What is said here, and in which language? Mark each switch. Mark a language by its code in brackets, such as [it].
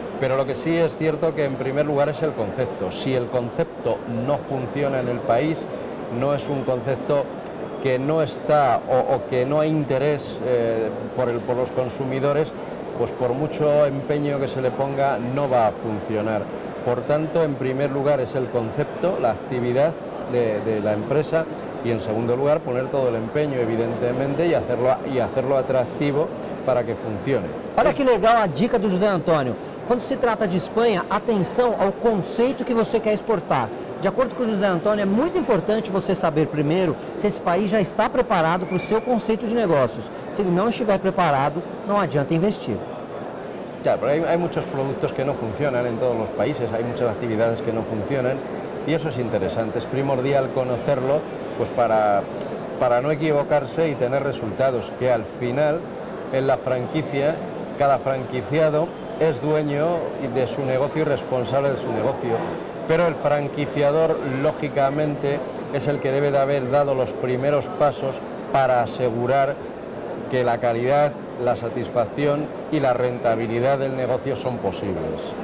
[es] Pero lo que sí es cierto que en primer lugar es el concepto. Si el concepto no funciona en el país, no es un concepto que no está o que no hay interés por los consumidores, pues por mucho empeño que se le ponga no va a funcionar. Por tanto, en primer lugar es el concepto, la actividad de la empresa. Y en segundo lugar, poner todo el empeño, evidentemente, y hacerlo atractivo para que funcione. [pt] Olha que legal a dica do José Antônio. Quando se trata de Espanha, atenção ao conceito que você quer exportar. De acordo com o José Antônio, é muito importante você saber primeiro se esse país já está preparado para o seu conceito de negócios. Se ele não estiver preparado, não adianta investir. Claro, porque há muitos produtos que não funcionam em todos os países, há muitas atividades que não funcionam, e isso é interessante, é primordial conhecê-lo. [es] Pues para no equivocarse y tener resultados, que al final en la franquicia cada franquiciado es dueño de su negocio y responsable de su negocio, pero el franquiciador lógicamente es el que debe de haber dado los primeros pasos para asegurar que la calidad, la satisfacción y la rentabilidad del negocio son posibles.